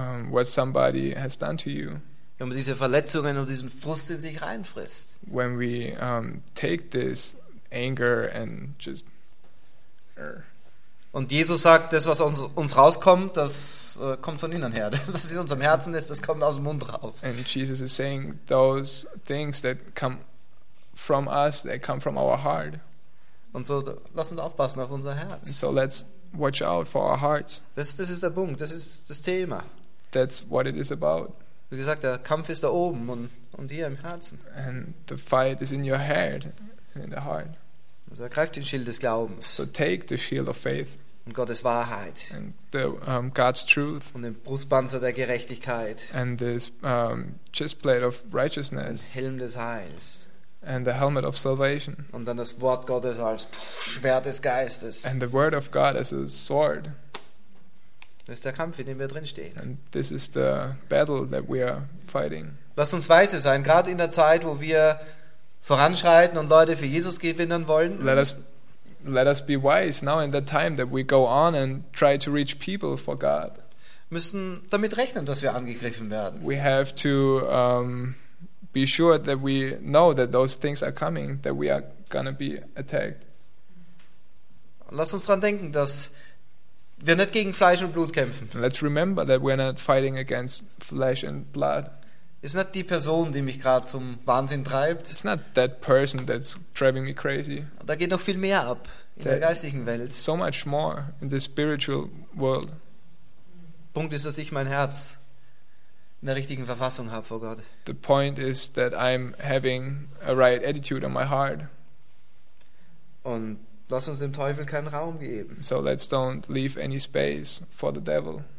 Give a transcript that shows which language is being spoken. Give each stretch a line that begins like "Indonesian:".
English: What somebody has done to you.
German: Wenn man diese Verletzungen und diesen Frust in sich reinfrisst.
English: When we take this anger and just.
German: Und Jesus sagt, das, was uns rauskommt, das kommt von innen her. Was in unserem Herzen ist, das kommt aus dem Mund raus.
English: And Jesus is saying, those things that come from us, they come from our heart.
German: Und so lass uns aufpassen auf unser Herz.
English: And so let's watch out for our hearts.
German: Das ist der Punkt, das ist das Thema.
English: That's what it is about.
German: Wie gesagt, der Kampf ist da oben und hier im Herzen.
English: And the fight is in your head and in the heart.
German: Also ergreift den Schild des Glaubens.
English: So take the shield of faith.
German: Und Gottes Wahrheit.
English: And the God's truth.
German: Und den Brustpanzer der Gerechtigkeit.
English: And this chestplate of righteousness.
German: Und Helm des Heils.
English: And the helmet of salvation.
German: Und dann das Wort Gottes als Schwert des Geistes.
English: And the word of God as a sword.
German: Das ist der Kampf, in dem wir drinstehen.
English: And this is the battle that we are fighting.
German: Lasst uns weise sein, gerade in der Zeit, wo wir voranschreiten und Leute für Jesus gewinnen wollen.
English: Let us be wise now in the time that we go on and try to reach people for God.
German: Wir müssen damit rechnen, dass wir angegriffen werden.
English: We have to be sure that we know that those things are coming, that we are going to be attacked.
German: Lass uns dran denken, dass wir nicht gegen Fleisch und Blut kämpfen.
English: Let's remember that we're not fighting against flesh and blood. It's not
German: die Person, die mich gerade zum Wahnsinn treibt.
English: It's not that person that's driving me crazy.
German: Da geht noch viel mehr ab in der geistigen Welt.
English: So much more in the spiritual world.
German: Punkt ist, dass ich mein Herz in der richtigen Verfassung habe vor Gott.
English: The point is that I'm having a right attitude on my heart.
German: Und lass uns dem Teufel keinen Raum geben.
English: So let's don't leave any space for the devil.